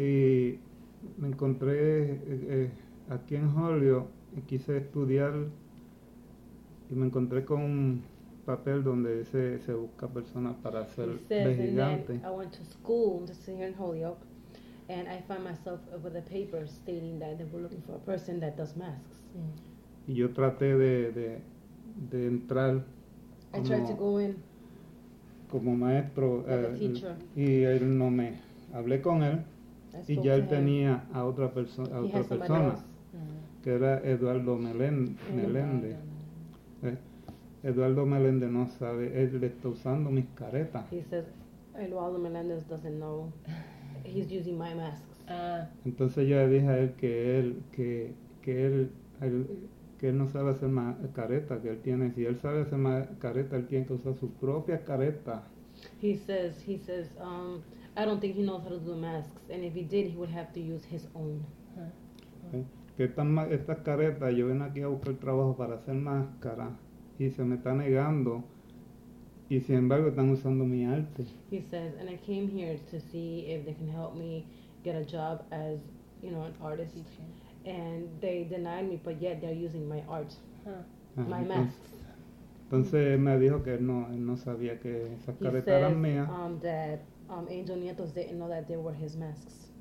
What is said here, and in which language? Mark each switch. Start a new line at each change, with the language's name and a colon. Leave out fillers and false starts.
Spanish: Y me encontré aquí en Hollywood y quise estudiar y me encontré con papel donde se busca personas para ser Vejigante.
English: I went to school just here in Holyoke and I found myself with a paper stating that they were looking for a person that does masks.
Spanish: Y yo traté de entrar como,
English: I tried to go in
Spanish: como maestro
English: teacher.
Spanish: Y él no me hablé con él y ya él tenía a otra persona que era Eduardo Melende. Eduardo Melendez no sabe, él le está usando mis caretas.
English: He says, Eduardo Melendez doesn't know he's using my masks.
Spanish: Entonces yo le dije a él que él no sabe hacer careta, que él tiene, si él sabe hacer careta, él tiene que usar su propia careta.
English: He says, I don't think he knows how to do masks, and if he did, he would have to use his own.
Spanish: Que esta careta, yo vengo aquí a buscar trabajo para hacer máscara, y se me está negando, y sin embargo están usando mi arte.
English: He says, and I came here to see if they can help me get a job as, you know, an artist. And they denied me, but yet they're using my art, my masks.
Spanish: Entonces él me dijo que él no sabía que esas caretas eran mías.
English: He said that Angel Nieto didn't know that they were his masks.